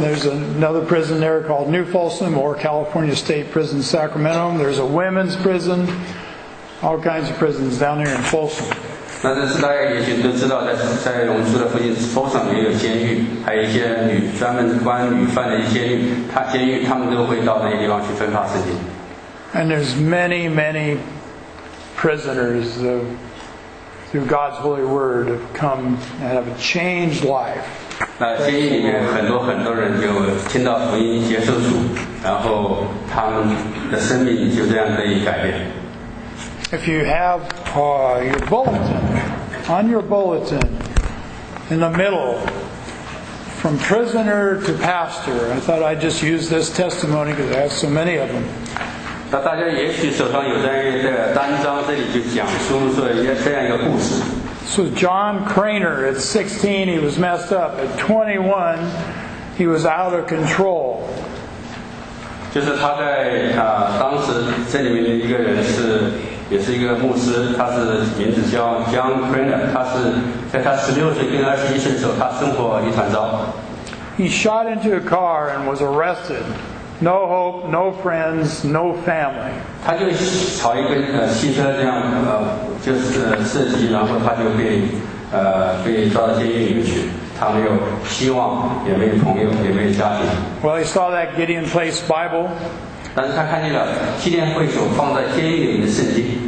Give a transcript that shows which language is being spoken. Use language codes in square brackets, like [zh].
[en] There's another prison there called New Folsom or California State Prison Sacramento. There's a women's prison, all kinds of prisons down here in Folsom. [zh] 那这是大家也许都知道，在我们住的附近 Folsom 也有监狱，还有一些女专门关女犯的监狱，他们都会到那些地方去分发圣经。 [en] And there's many, many prisoners of through God's holy word have come and have a changed life. [zh] 那监狱里面很多很多人就听到福音接受主，然后他们的生命就这样得以改变。 [en] If you have your bulletin, on your bulletin, in the middle, from prisoner to pastor, I thought I'd just use this testimony because I have so many of them. [zh] 那大家也许手上有在这个单张，这里就讲述说这样一个故事。 [en] So John Craner at 16, he was messed up. At 21, he was out of control. [zh] 就是他在当时这里面的一个人是，也是一个牧师，他是名字叫 John Craner， 他是在他16岁跟21岁的时候，他生活一团糟。 [en] He shot into a car and was arrested. No hope, no friends, no family. [zh] 他就朝一个汽车这样就是射击，然后他就被抓到监狱里面去。他没有希望，也没有朋友，也没有家庭。 [en] Well, he saw that Gideon Place Bible. [zh] 但是他看见了纪念会所放在监狱里的圣经。